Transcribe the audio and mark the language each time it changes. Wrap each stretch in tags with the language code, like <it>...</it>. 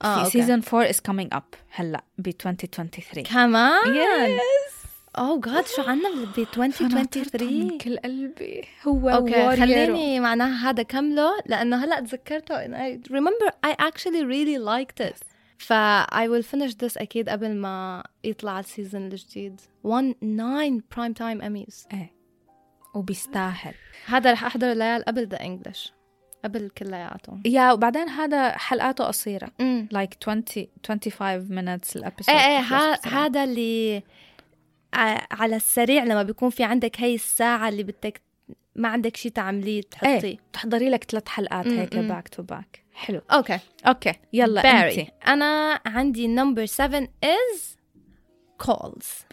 <ar>في سيزون 4</ar> <en>is coming up</en> <ar>هلا ب 2023 كمان.</ar> <en>yes. Oh God,</en> <ar>شو عنا ب 2023؟ كل قلبي هو وارير. خليني معناها هذا كمله لأنه هلا تذكرته.</ar> <en>I remember I actually really liked it.</en> <ar>فا</ar> <en>I will finish this</en> <ar>أكيد قبل ما يطلع السيزن الجديد.</ar> <en>19 prime time Emmys.</en> <ar>إيه. وبيستاهل. هذا رح أحضر ليال قبل The English. قبل كل لياته. يا وبعدين هذا حلقاته قصيرة.</ar> <en>Like 20-25 minutes الأبيسود.</en> <ar>إيه إيه هذا اللي على السريع لما بيكون في عندك هاي الساعة اللي بدك ما عندك شيء تعمليه تحطيه. إيه. تحضري لك ثلاث حلقات هيك</ar> <en>back to back.</en> <ar>حلو. أوكي. أوكي. يلا Barry. أنت. أنا عندي</ar> <en>number 7 is calls.</en>